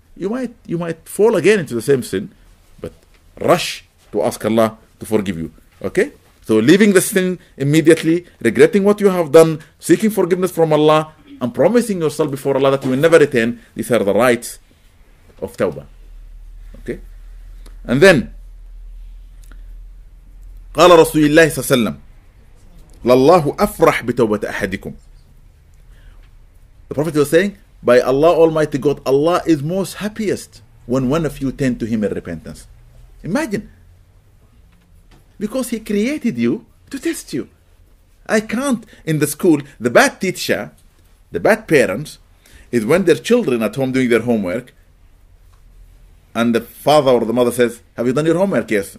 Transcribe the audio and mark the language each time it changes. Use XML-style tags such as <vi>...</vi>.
<en>You might fall again into the same sin, but rush to ask Allah to forgive you. Okay? So leaving the sin immediately, regretting what you have done, seeking forgiveness from Allah, and promising yourself before Allah that you will never return. These are the rights of Tawbah. Okay? And then,</en> <ar>قال رسول الله صلى الله عليه وسلم لله أفرح بتوبة أحدكم.</ar> <en>The Prophet was saying, by Allah Almighty God, Allah is most happiest when one of you turn to Him in repentance. Imagine. Because He created you to test you. I can't, in the school, the bad teacher, the bad parents, is when their children at home doing their homework, and the father or the mother says, have you done your homework? Yes.</en>